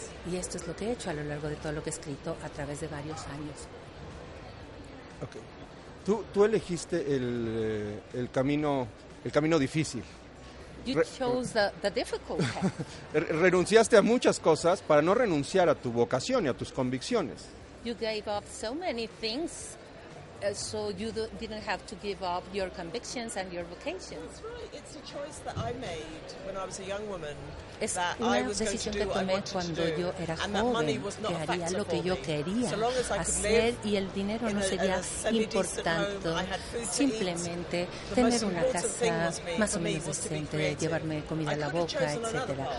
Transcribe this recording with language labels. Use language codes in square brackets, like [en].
[es] Y esto es lo que he hecho a lo largo de todo lo que he escrito a través de varios años. Okay. Tú elegiste el camino difícil. [en] You chose the difficult path. [es] Renunciaste a muchas cosas para no renunciar a tu vocación y a tus convicciones. [en] You gave up so many things So you didn't have to give up your convictions and your vocations. That's right. It's a choice that I made when I was a young woman. [es] Es una decisión que tomé cuando yo era joven, que haría lo que yo quería hacer y el dinero no sería importante. Simplemente tener una casa más o menos decente, llevarme comida a la boca, etc.